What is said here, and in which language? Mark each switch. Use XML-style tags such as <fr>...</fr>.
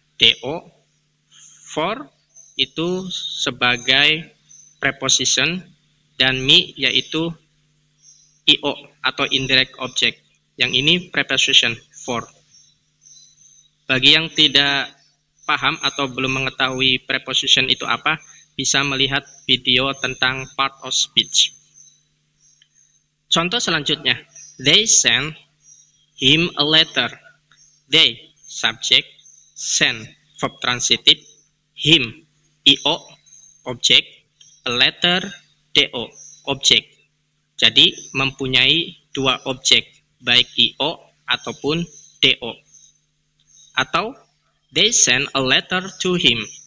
<id>do, for itu sebagai preposition, dan me yaitu io atau indirect object. Yang ini preposition, for. Bagi yang tidak paham atau belum mengetahui preposition itu apa, bisa melihat video tentang part of speech. Contoh selanjutnya,</id> <en>they send him a letter. They, subject, send, verb transitive, him, io, object, a letter, do, object.</en> <id>Jadi, mempunyai dua objek, baik io ataupun do.</id> <en>Atau, they send a letter to him.</en>